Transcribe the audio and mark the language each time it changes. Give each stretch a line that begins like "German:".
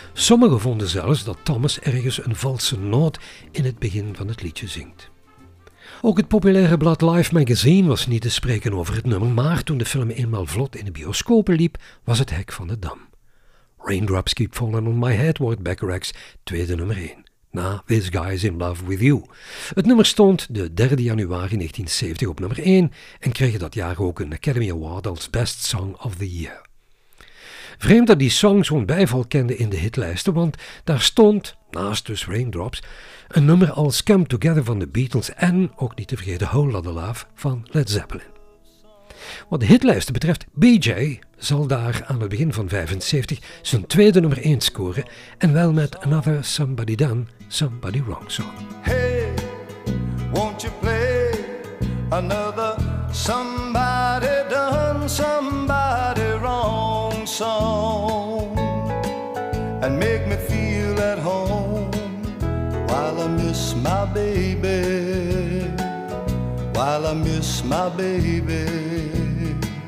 Dutch: Sommigen vonden zelfs dat Thomas ergens een valse noot in het begin van het liedje zingt. Ook het populaire blad Life Magazine was niet te spreken over het nummer, maar toen de film eenmaal vlot in de bioscopen liep, was het hek van de dam. Raindrops Keep Falling on My Head wordt Bacharach's 2e nummer 1. Na This Guy's in Love with You. Het nummer stond de 3e januari 1970 op nummer 1 en kreeg dat jaar ook een Academy Award als Best Song of the Year. Vreemd dat die song zo'n bijval kende in de hitlijsten, want daar stond, naast dus Raindrops, een nummer als Come Together van de Beatles en, ook niet te vergeten, Whole Lotta Love van Led Zeppelin. Wat de hitlijsten betreft, BJ zal daar aan het begin van 75 zijn 2e nummer 1 scoren en wel met Another Somebody Done, Somebody Wrong song.
English: Hey, won't you play another somebody done, somebody wrong song and make me feel at home while I miss my baby, while I miss my baby.